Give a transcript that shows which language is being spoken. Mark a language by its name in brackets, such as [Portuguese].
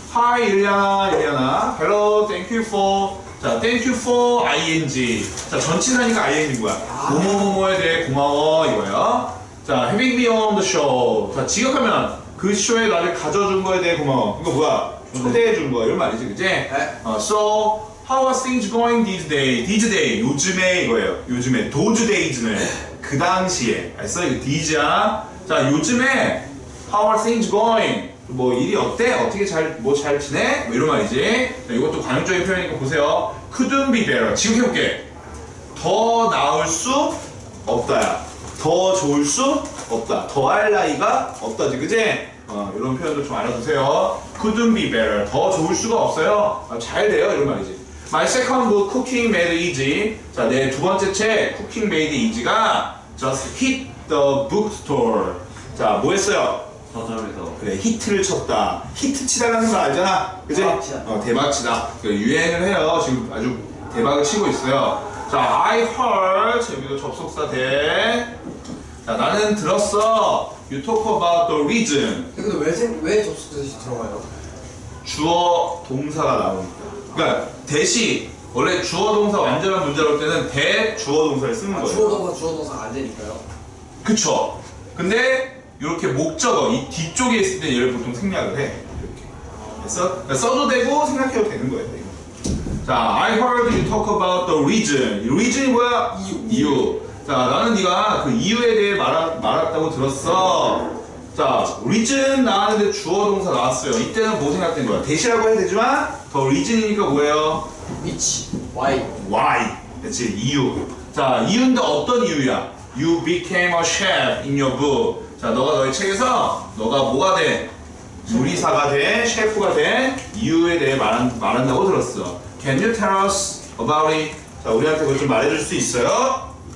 [English] Hi, 일리아나, 일리아나. Hello, thank you for. 자, thank you for ing. [Korean] 자, 전치사니까 ing 뭐야? 뭐뭐뭐에 대해 고마워, 이거예요. [English] 자, having me on the show. [Korean] 자, 직역하면 그 쇼에 나를 가져준 거에 대해 고마워. 이거 뭐야? 초대해준 거, 이런 말이지, 그치? 네. [English] So, how are things going these days? [Korean] These days, 요즘에 이거예요. 요즘에, those days는. 그 당시에. 알았어? 이거 these야. 자, 요즘에, [English] how are things going? [Korean] 뭐, 일이 어때? 어떻게 잘, 뭐 잘 지내? 뭐 이런 말이지. 자, 이것도 관용적인 표현이니까 보세요. [English] Couldn't be better. [Korean] 지금 해볼게. 더 나을 수 없다야. 더 좋을 수 없다. 더 할 나위가 없다지, 그치? 어, 이런 표현도 좀 알아두세요. [English] Couldn't be better. [Korean] 더 좋을 수가 없어요. 아, 잘 돼요. 이런 말이지. [English] My second book, Cooking Made Easy. [Korean] 자, 내 두 번째 책, [English] Cooking Made Easy가 just hit the bookstore. [Korean] 자, 뭐 했어요? 서점에서. 그래, 히트를 쳤다. 히트 치다라는 거 알잖아. 그치? 대박치다. 어, 대박치다. 유행을 해요. 지금 아주 대박을 치고 있어요. 자, [English] I heard. [Korean] 재미도 접속사 대. 자, 나는 들었어. [English] You talk about the reason. [Korean] 근데 왜 접속사 들어가요? 주어, 동사가 나오니까. 그니까, 대시. 원래 주어, 동사 완전한 문제로 올 때는 대, 주어, 동사를 쓰는 아, 거예요. 주어, 동사 안 되니까요. 그쵸. 근데, 이렇게 목적어, 이 뒤쪽에 있을 때 얘를 보통 생략을 해. 이렇게. 됐어? 그러니까 써도 되고, 생략해도 되는 거예요. 이거. [English] 자, I heard you talk about the reason. [Korean] Reason이 뭐야? 이유. 이유. 자, 나는 네가 그 이유에 대해 말았다고 들었어. 자, reason 나왔는데 주어 동사 나왔어요. 이때는 뭐 생각된 거야? 대시라고 해야 되지만 더 reason이니까 뭐예요? [English] Which? Why? [Korean] Why? 그치, 이유. 자, 이유인데 어떤 이유야? [English] You became a chef in your book. [Korean] 자, 너가 너의 책에서 너가 뭐가 돼? 요리사가 돼? 셰프가 돼? 이유에 대해 말한다고 들었어. [English] Can you tell us about it? [Korean] 자, 우리한테 그걸 좀 말해줄 수 있어요?